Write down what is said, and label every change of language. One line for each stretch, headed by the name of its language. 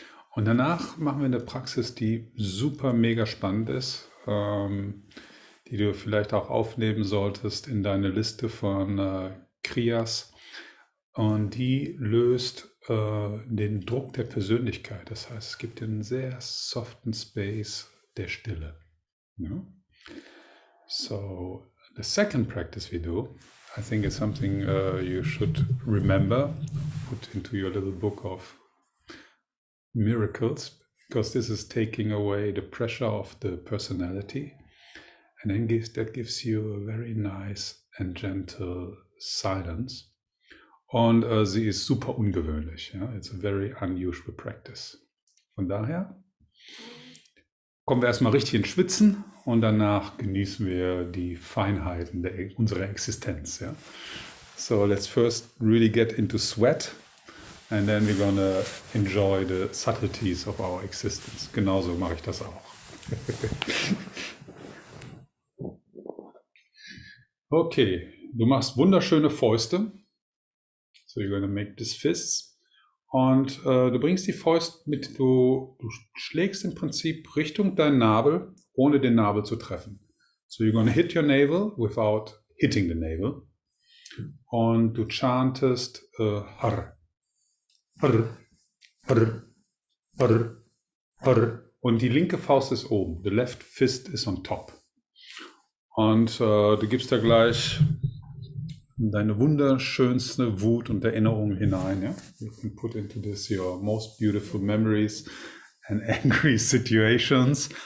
German: Und danach machen wir eine Praxis, die super mega spannend ist, die du vielleicht auch aufnehmen solltest in deine Liste von Kriyas. Und die löst den Druck der Persönlichkeit. Das heißt, es gibt einen sehr soften Space der Stille. Ja?
English: So, the second practice we do, I think it's something you should remember, put into your little book of miracles, because this is taking away the pressure of the personality, and then that gives you a very nice and gentle silence.
German: Und sie ist super ungewöhnlich. Ja?
English: It's a very unusual practice.
German: Von daher kommen wir erstmal richtig ins Schwitzen und danach genießen wir die Feinheiten unserer Existenz.
English: Ja? So let's first really get into sweat. And then we're gonna enjoy the subtleties of our existence.
German: Genauso mache ich das auch. Okay, du machst wunderschöne Fäuste.
English: So you're gonna make these fists.
German: Und du bringst die Fäuste mit, du schlägst im Prinzip Richtung dein Nabel, ohne den Nabel zu treffen.
English: So you're gonna hit your navel without hitting the navel.
German: Und du chantest Har. Brr, brr, brr, brr. Und die linke Faust ist oben.
English: The left fist is on top.
German: Und du gibst da gleich deine wunderschönste Wut und Erinnerung hinein. Ja?
English: You can put into this your most beautiful memories and angry situations.